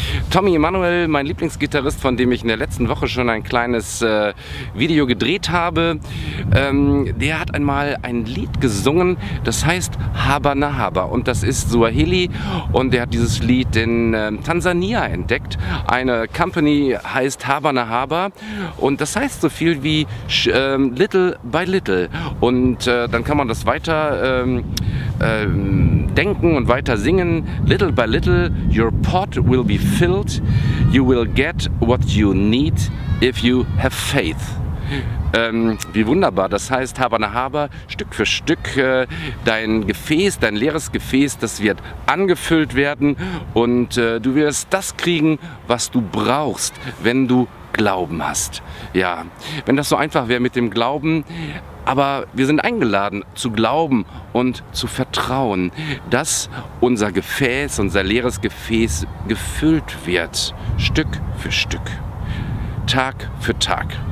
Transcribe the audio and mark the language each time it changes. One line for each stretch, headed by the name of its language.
German: Tommy Emanuel, mein Lieblingsgitarrist, von dem ich in der letzten Woche schon ein kleines Video gedreht habe, der hat einmal ein Lied gesungen, das heißt Haba na Haba, und das ist Swahili, und der hat dieses Lied in Tansania entdeckt. Eine Company heißt Haba na Haba und das heißt so viel wie
English: Little by Little,
German: und dann kann man das weiter denken und weiter singen.
English: Little by little, your pot will be filled. You will get what you need if you have faith.
German: Wie wunderbar. Das heißt, Haber nach Haber, Stück für Stück, dein Gefäß, dein leeres Gefäß, das wird angefüllt werden, und du wirst das kriegen, was du brauchst, wenn du Glauben hast. Ja, wenn das so einfach wäre mit dem Glauben. Aber wir sind eingeladen zu glauben und zu vertrauen, dass unser Gefäß, unser leeres Gefäß gefüllt wird, Stück für Stück, Tag für Tag.